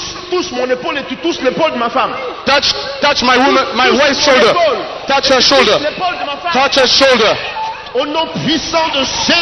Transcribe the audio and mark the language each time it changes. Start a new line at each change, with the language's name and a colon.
French: Touche mon épaule et tu touches l'épaule de ma femme.
English: Touch my woman, my wife's shoulder. Touch her shoulder.
French: Touche l'épaule de ma femme.
English: Touch her shoulder.
French: Au nom puissant de Jésus.